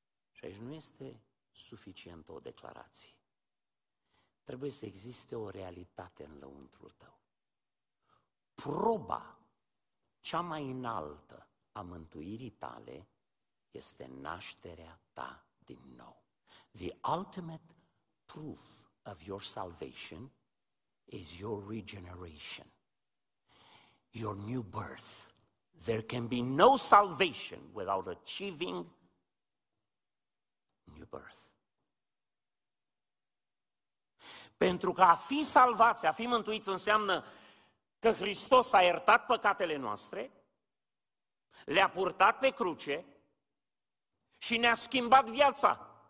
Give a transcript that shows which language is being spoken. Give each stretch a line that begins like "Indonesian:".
Romanian: Și aici nu este suficientă o declarație. Trebuie să existe o realitate în lăuntrul tău. Proba cea mai înaltă a mântuirii tale este nașterea ta din nou.
English: The ultimate proof of your salvation is your regeneration, your new birth. There can be no salvation without achieving new birth.
Romanian: Pentru că a fi salvați, a fi mântuiți înseamnă că Hristos a iertat păcatele noastre, le-a purtat pe cruce și ne-a schimbat viața.